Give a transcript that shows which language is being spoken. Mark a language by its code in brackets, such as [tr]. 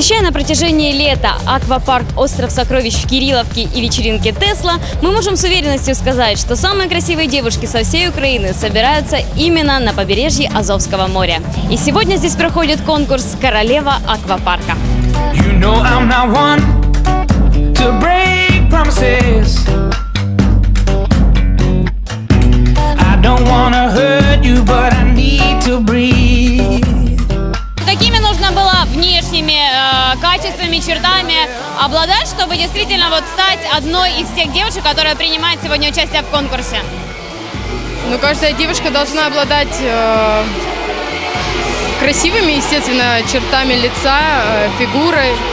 [ru] на протяжении лета аквапарк «Остров сокровищ» в Кирилловке и вечеринки «Тесла», мы можем с уверенностью сказать, что самые красивые девушки со всей Украины собираются именно на побережье Азовского моря. И сегодня здесь проходит конкурс «Королева аквапарка». [en] You know I'm not one to break promises. I don't wanna hurt you, but I need to breathe. [ru] Какими нужно было внешними качествами, чертами обладать, чтобы действительно вот стать одной из тех девушек, которая принимает сегодня участие в конкурсе? Ну, каждая девушка должна обладать красивыми, естественно, чертами лица, фигурой.